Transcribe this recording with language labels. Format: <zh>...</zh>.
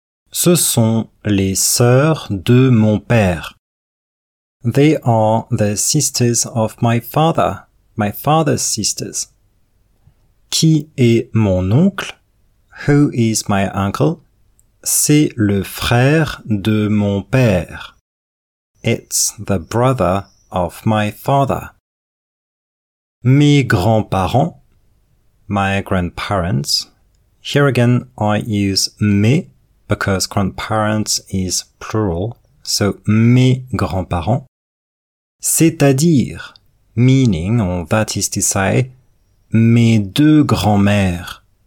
<fr>Ce sont les sœurs de mon père.</fr> <en>They are the sisters of my father, my father's sisters.</en> <fr>Qui est mon oncle?</fr> <en>Who is my uncle?</en> <fr>C'est le frère de mon père.</fr> <en>It's the brother of my father.</en> <fr>Mes grands-parents.</fr> <en>My grandparents. Here again, I use mes because grandparents is plural. So,</en> <fr>mes grands-parents. C'est-à-dire,</fr> <en>meaning, or that is to say,</en> <fr>mes deux grands-mères.</fr>